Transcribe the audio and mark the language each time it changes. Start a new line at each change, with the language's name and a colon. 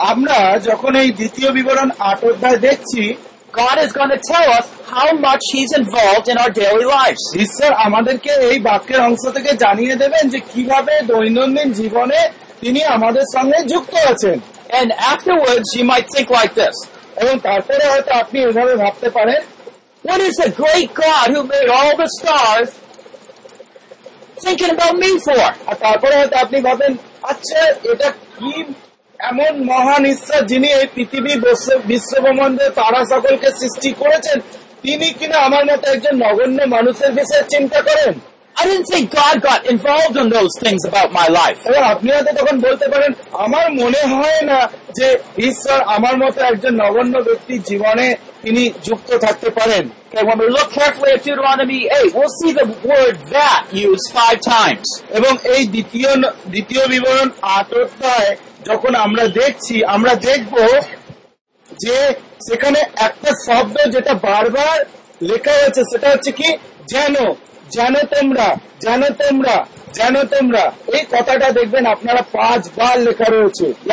Bangla: আমরা যখন এই দ্বিতীয় বিবরণ আট অধ্যায় দেখছি,
English: God is going to tell us how much he's involved in our daily lives.
Bangla: ঈশ্বর আমাদেরকে এই বাক্যের অংশ থেকে জানিয়ে দেবেন যে কিভাবে দৈনন্দিন জীবনে তিনি আমাদের সঙ্গে যুক্ত আছেন.
English: And afterwards you might think like this.
Bangla: এবং তারপরে হয়তো আপনি এভাবে ভাবতে পারেন,
English: what is a great God who made all the stars thinking about me for?
Bangla: তারপরে হয়তো আপনি ভাবেন, আচ্ছা এটা কি এমন মহান ঈশ্বর যিনি এই পৃথিবী বিশ্বব্রহ্মাণ্ডের তারা সকলকে সৃষ্টি করেছেন, তিনি কিনা আমার মতো একজন নগণ্য মানুষের বিষয়ে চিন্তা করেন?
English: I didn't think God got involved in those things about my life.
Bangla: এবং আপনি হয়তো তখন বলতে পারেন, আমার মনে হয় না যে ঈশ্বর আমার মতো একজন নগণ্য ব্যক্তি জীবনে তিনি যুক্ত থাকতে পারেন.
English: Okay, when we look carefully at Deuteronomy 8, we'll see the word that used 5 times.
Bangla: এবং এই দ্বিতীয় বিবরণ আট অধ্যায় যখন আমরা দেখছি, আমরা দেখব যে সেখানে একটা শব্দ যেটা বারবার লেখা হয়েছে সেটা হচ্ছে কি, যেন যেন তোমরা, যেন তোমরা, যেন তোমরা, এই কথাটা দেখবেন আপনারা পাঁচ বার লেখা রয়েছে.